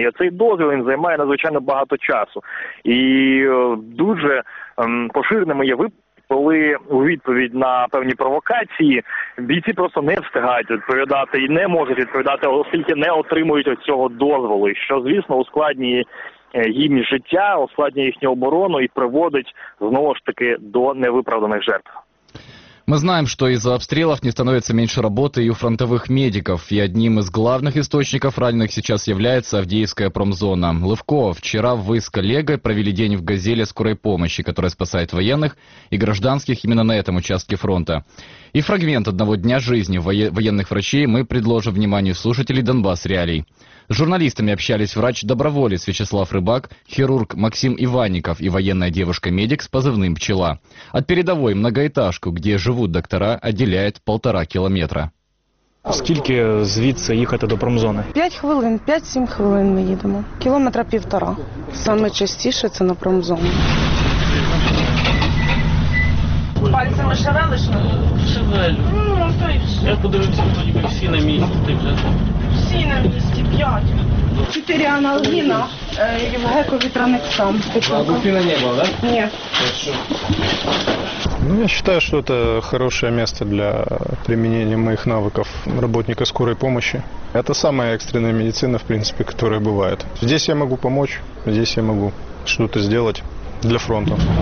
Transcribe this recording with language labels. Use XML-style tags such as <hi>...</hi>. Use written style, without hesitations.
<uk>І цей дозвіл він займає надзвичайно багато часу. І дуже поширеними є випадки, коли у відповідь на певні провокації бійці просто не встигають відповідати і не можуть відповідати, оскільки не отримують оцього дозволу, що, звісно, ускладнює їм життя, ускладнює їхню оборону і приводить, знову ж таки, до невиправданих жертв.</uk> <ru>Мы знаем, что из-за обстрелов не становится меньше работы и у фронтовых медиков. И одним из главных источников раненых сейчас является Авдеевская промзона. Левко, вчера вы с коллегой провели день в «Газеле» скорой помощи, которая спасает военных и гражданских именно на этом участке фронта. И фрагмент одного дня жизни военных врачей мы предложим вниманию слушателей «Донбасс Реалий». С журналистами общались врач-доброволец Вячеслав Рыбак, хирург Максим Иванников и военная девушка-медик с позывным «Пчела». От передовой многоэтажку, где живут доктора, отделяет 1,5 километра.</ru> <uk>Скільки звідси їхати до промзони? 5-7 хвилин ми їдемо. 1,5 кілометра. Саме частіше це на промзону. Пальцями шевелиш? Шевелю. Ну, то і все. Як подивитися, то ніби всі на місці. Всі на місці, 5. 4 аналгіна, Євгекові транексам. Аналгіна не було, так? Ні.</uk> <ru>Ну, я считаю, что это хорошее место для применения моих навыков работника скорой помощи. Это самая экстренная медицина, в принципе, которая бывает. Здесь я могу помочь, здесь я могу что-то сделать для фронта.</ru>